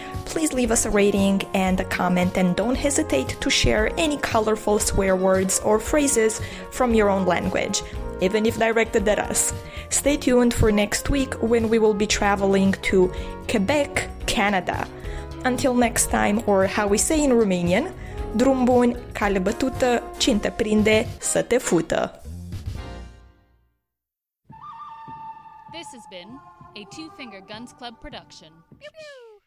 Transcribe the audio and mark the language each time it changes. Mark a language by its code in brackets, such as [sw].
[en] Please leave us a rating and a comment, and don't hesitate to share any colorful swear words or phrases from your own language, even if directed at us. Stay tuned for next week when we will be traveling to Quebec, Canada. Until next time, or how we say in Romanian, [ro] drum bun, cale bătută, cine te prinde, să te fută. [en] This has been a Two Finger Guns Club production. Pew, pew.